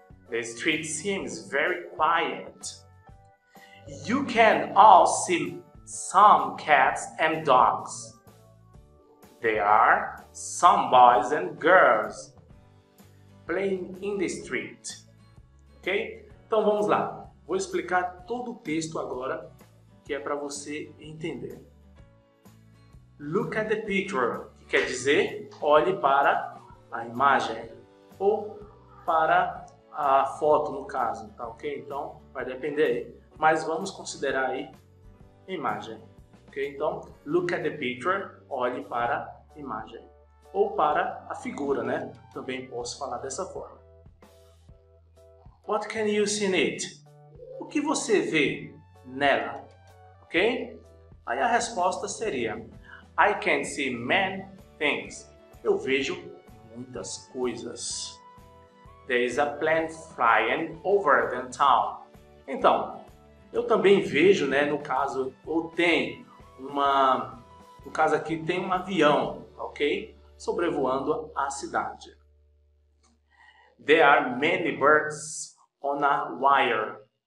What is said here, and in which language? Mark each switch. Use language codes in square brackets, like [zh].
[en] The street seems very quiet. You can all see some cats and dogs. There are some boys and girls playing in the street. [pt] Ok? Então vamos lá. Vou explicar todo o texto agora, que é para você entender. [en] Look at the picture, [pt] que quer dizer olhe para a imagem ou para a foto, no caso. Tá ok? Então vai depender aí. Mas vamos considerar aí imagem. Ok? Então, [en] look at the picture, [pt] olhe para a imagem. Ou para a figura, né? Também posso falar dessa forma. [en] What can you see in it? [pt] O que você vê nela? [en] Ok? [pt] Aí a resposta seria: [en] I can see many things. [pt] Eu vejo muitas coisas. [en] There is a plane flying over the town. [pt] Então, eu também vejo, né, no caso, ou tem uma, no caso aqui, tem um avião, ok? Sobrevoando a cidade. [en] There are many birds on a wire.